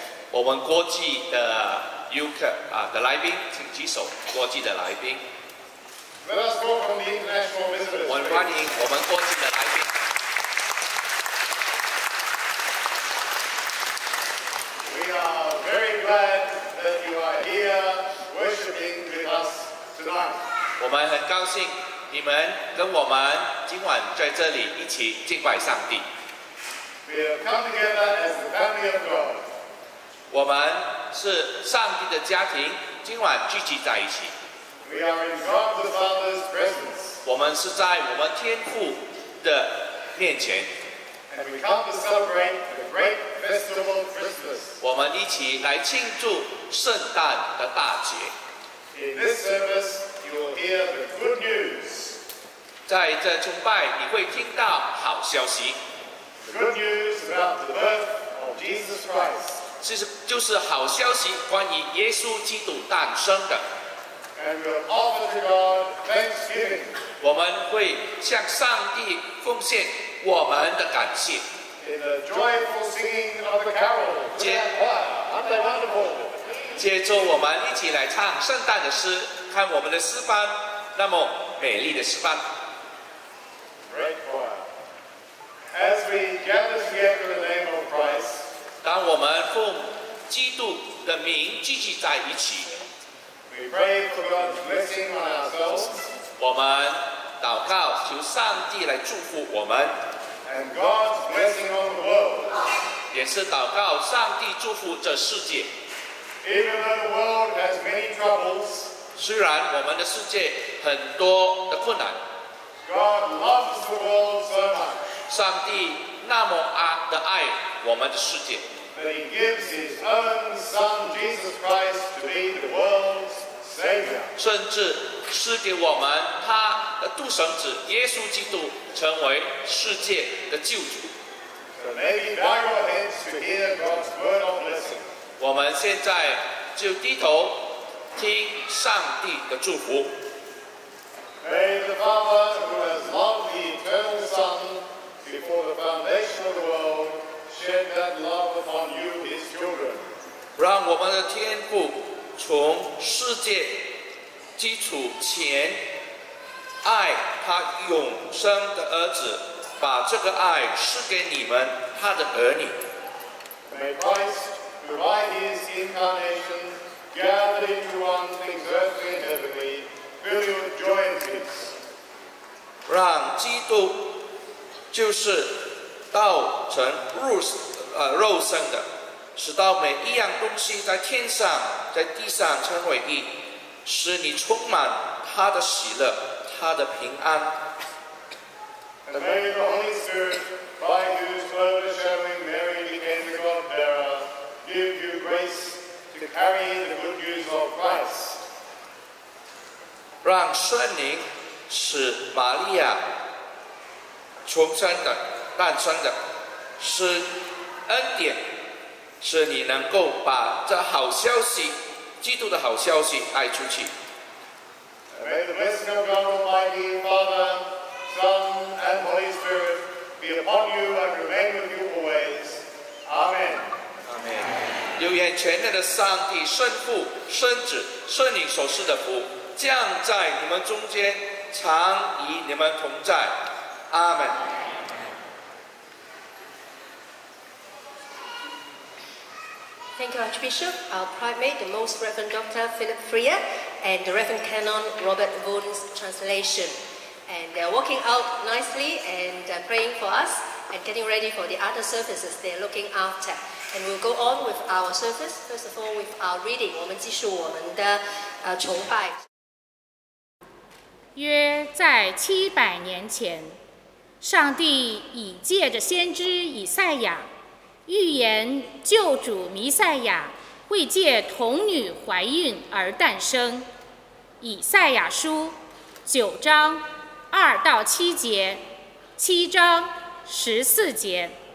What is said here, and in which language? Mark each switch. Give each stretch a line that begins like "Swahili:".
Chinese: 我们国际的游客的来宾，请举手。国际的来宾
English: ，Let us welcome the international visitors.
Chinese: 我们欢迎我们国际的来宾。
English: We are very glad that you are here worshiping with us tonight.
Chinese: 我们很高兴你们跟我们今晚在这里一起敬拜上帝。
English: We have come together as the family of God.
Chinese: 我们是上帝的家庭，今晚聚集在一起。
English: We are in God the Father's presence.
Chinese: 我们是在我们天父的面前。
English: And we come to celebrate the great festival of Christmas.
Chinese: 我们一起来庆祝圣诞的大节。
English: In this service, you will hear the good news.
Chinese: 在这崇拜，你会听到好消息。
English: The good news about the birth of Jesus Christ.
Chinese: 就是好消息，关于耶稣基督诞生的。
English: And we'll offer to God thanksgiving.
Chinese: 我们会向上帝奉献我们的感谢。
English: In the joyful singing of the carol, wonderful.
Chinese: 接着我们一起来唱圣诞的诗，看我们的诗班那么美丽的诗班。
English: Great choir. As we gather together in the name of Christ.
Chinese: 当我们奉基督的名聚集在一起，
English: We pray for God's blessing on ourselves.
Chinese: 我们祷告求上帝来祝福我们，
English: And God's blessing on the world.
Chinese: 也是祷告上帝祝福这世界。
English: Even though the world has many troubles,
Chinese: 虽然我们的世界很多的困难，
English: God loves the world so much.
Chinese: 上帝那么爱的爱我们的世界，
English: that that he gives his own son Jesus Christ to be the world's savior.
Chinese: 甚至赐给我们他的独生子耶稣基督成为世界的救主。
English: So maybe bow your heads to hear God's word of blessing.
Chinese: 我们现在就低头听上帝的祝福。
English: May the Father who has loved the eternal Son before the foundation of the world shed that love upon you, His children.
Chinese: 让我们的天父从世界基础前爱他永生的儿子，把这个爱赐给你们他的儿女。
English: May Christ, who by His incarnation gathered into one things earthly and heavenly. Fill you with joy and peace.
Chinese: 让基督就是道成肉身的，使到每一样东西在天上在地上成为一，使你充满他的喜乐，他的平安。
English: And may the Holy Spirit, by whose overshadowing Mary became the God-bearer, give you grace to carry in the good news of Christ.
Chinese: 让圣灵使玛利亚重生的诞生的是恩典，使你能够把这好消息，基督的好消息带出去。
English: May the blessing of God Almighty, Father, Son, and Holy Spirit be upon you and remain with you always. Amen. Amen.
Chinese: 有缘全能的上帝，圣父、圣子、圣灵所赐的福降在你们中间，常与你们同在。阿们。
English: Thank you, Archbishop. Our Primate, the Most Reverend Dr. Philip Freer, and the Reverend Canon Robert Boone's translation. And they're walking out nicely and praying for us and getting ready for the other services they're looking after. And we'll go on with our service. First of all, with our reading,
Chinese: 我们继续我们的崇拜。约在700年前，上帝已借着先知以赛亚预言救主弥赛亚会借童女怀孕而诞生。以赛亚书9:2-7, 7:14。